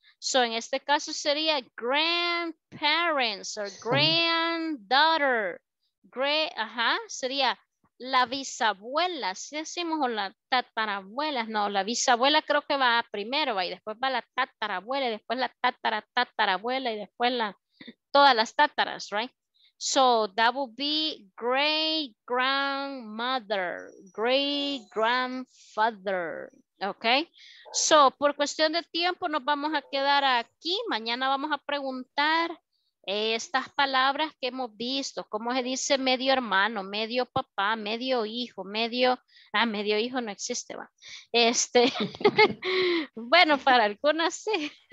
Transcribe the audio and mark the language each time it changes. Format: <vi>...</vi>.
<es>So en este caso sería</es> <en>grandparents or granddaughter. Great,</en> <es>ajá, sería la bisabuela, si decimos o la tatarabuela, no, la bisabuela creo que va primero, y después va la tatarabuela, y después la tatarabuela, y después la, todas las tataras, right?</es> <en>So that would be great grandmother, great grandfather, okay?</en> <es>So por cuestión de tiempo nos vamos a quedar aquí, mañana vamos a preguntar estas palabras que hemos visto, cómo se dice medio hermano, medio papá, medio hijo, medio, medio hijo no existe, va. Este, bueno, para algunas sí.</es>